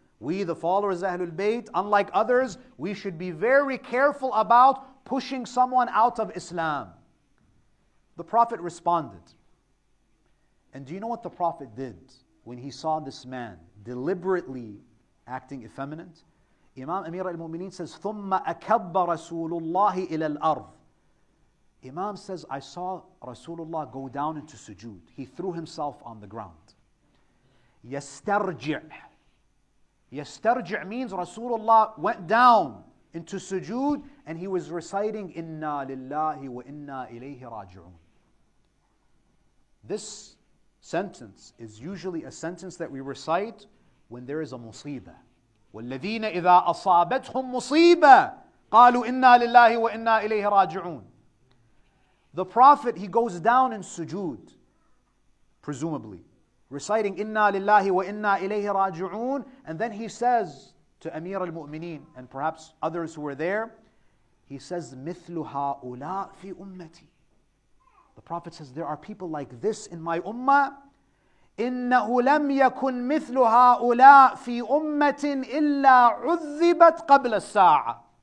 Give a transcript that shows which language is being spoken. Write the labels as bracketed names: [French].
[English] We, the followers of Ahlul Bayt, unlike others, we should be very careful about pushing someone out of Islam. The Prophet responded. And do you know what the Prophet did when he saw this man deliberately acting effeminate? Imam Amir al-Mu'mineen says, [Arabic] ثُمَّ أَكَبَّ رَسُولُ اللَّهِ إِلَى الْأَرْضِ. [English] Imam says, I saw Rasulullah go down into sujood. He threw himself on the ground. [Arabic] يَسْتَرْجِعْ. يَسْتَرْجِعْ [English] means Rasulullah went down into sujood and he was reciting, [Arabic] إِنَّا لِلَّهِ وَإِنَّا إِلَيْهِ رَاجِعُونَ. [English] This sentence is usually a sentence that we recite when there is a musiba. [Arabic] وَالَّذِينَ إِذَا أَصَابَتْهُمْ مُصِيبَ قَالُوا إِنَّا لِلَّهِ وَإِنَّا إِلَيْهِ رَاجِعُونَ. [English] The Prophet, he goes down in sujood, presumably. reciting [Arabic] Inna Lillahi wa Inna Ilayhi Raji'un, [English] and then he says to Amir al-Mu'mineen and perhaps others who were there, he says, [Arabic] مِثْلُ هَاُولَىٰ فِي أُمَّتِي. [English] The Prophet says, there are people like this in my ummah. [Arabic] إِنَّهُ لَمْ يَكُنْ مِثْلُ هَاُولَىٰ فِي أُمَّةٍ إِلَّا عُذِّبَتْ قَبْلَ السَّاعَةِ.